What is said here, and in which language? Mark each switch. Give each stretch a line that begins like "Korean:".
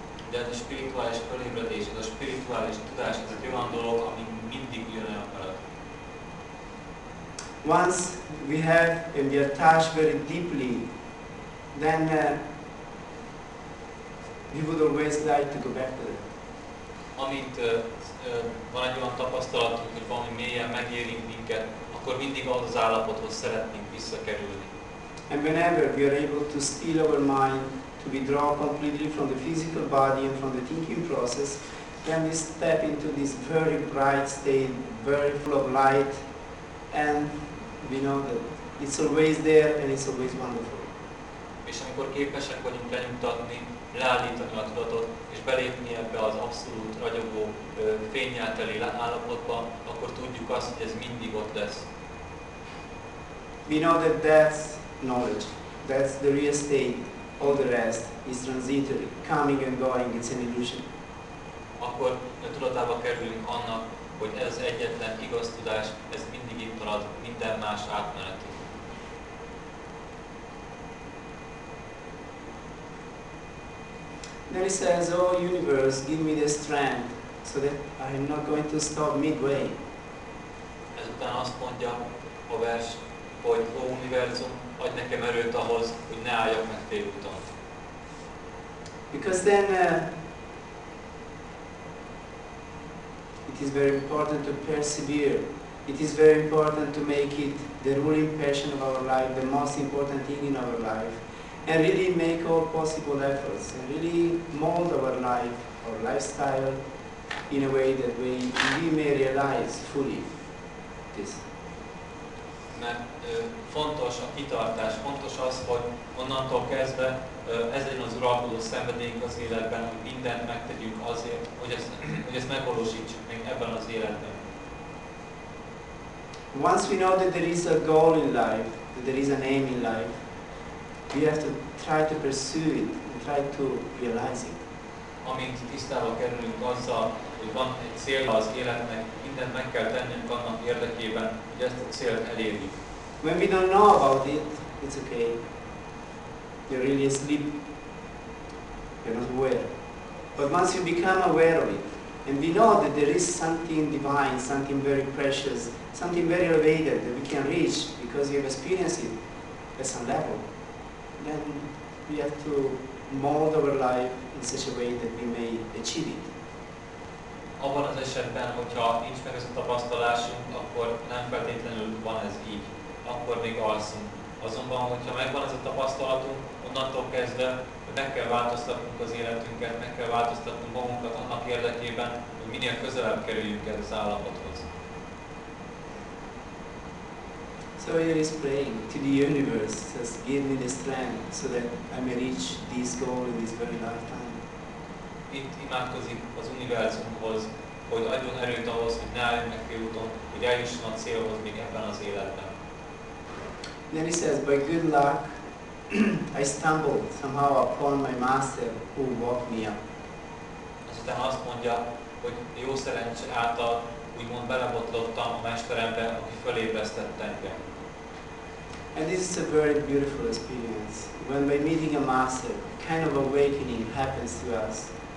Hungarian: De a spirituális felébredés, a spirituális tudás, ez egy olyan dolog, ami mindig ugyanolyan marad.
English: Once we have and we are touched very deeply, then we would always like to go back to that.
Hungarian: Amint van egy olyan tapasztalatunk, hogy valami mélyen megérint minket, akkor mindig az állapothoz szeretnénk visszakerülni.
English: And whenever we are able to steal our mind, to withdraw completely from the physical body and from the thinking process, then we step into this very bright state, very full of light, and we know that it's always there and it's always wonderful.
Hungarian: És amikor képesek vagyunk lenyugtatni, leállítani a tudatot, és belépni ebbe az abszolút ragyogó fénnyel teli állapotba, akkor tudjuk azt, hogy ez mindig ott lesz.
English: We know that that's knowledge. That's the real state. All the rest is transitory. Coming and going, it's an illusion.
Hungarian: Akkor tudatába kerülünk annak, hogy ez egyetlen igaz tudás, ez mindig itt marad, minden más átmeneti.
English: Then he says, oh universe, give me the strength, so that I am not going to stop midway.
Hungarian: Ezután azt mondja a vers, hogy ó univerzum, adj nekem erőt ahhoz, hogy ne álljak meg félúton.
English: Because then it is very important to persevere. It is very important to make it the ruling passion of our life, the most important thing in our life. and really make all possible efforts and really mold our life, our lifestyle, in a way that we may realize fully this.
Hungarian: Mert fontos a kitartás, fontos az, hogy onnantól kezdve ez legyen az uralkodó szenvedélyünk az életben, hogy mindent megtegyünk azért, hogy ezt megvalósítsuk még ebben az életben.
English: Once we know that there is a goal in life, that there is an aim in life, we have to try to pursue it and try to realize it.
Hungarian: Amint tisztába kerülünk azzal, hogy van egy cél az életnek, mindent meg kell tennünk annak érdekében, hogy ezt a célt elérjük.
English: When we don't know about it, it's okay. You're really asleep. You're not aware. But once you become aware of it, and we know that there is something divine, something very precious, something very elevated that we can reach because you have experienced it at some level, then we have to mold our life in such a way that we may achieve it.
Hungarian: Abban az esetben, hogyha nincs meg ez a tapasztalásunk, akkor nem feltétlenül van ez így, akkor még alszunk. Azonban, hogyha megvan ez a tapasztalatunk, onnantól kezdve meg kell változtatnunk az életünket, meg kell változtatnunk magunkat annak érdekében, hogy minél közelebb kerüljünk el az állapothoz.
English: So he is praying to the universe, says, give me the strength so that I may reach this goal in this very lifetime.
Hungarian: Itt imádkozik az univerzumhoz, hogy adjon erőt ahhoz, hogy ne álljon meg félúton, hogy eljusson a célhoz még ebben az életben.
English: Then he says, by good luck, I stumbled somehow upon my master who woke me up.
Hungarian: Aztán azt mondja, hogy jó szerencse által úgymond belebotlottam a mesterembe, aki fölébresztette engem.
English: And this is a very beautiful experience. When by meeting a master, a kind of awakening happens to us.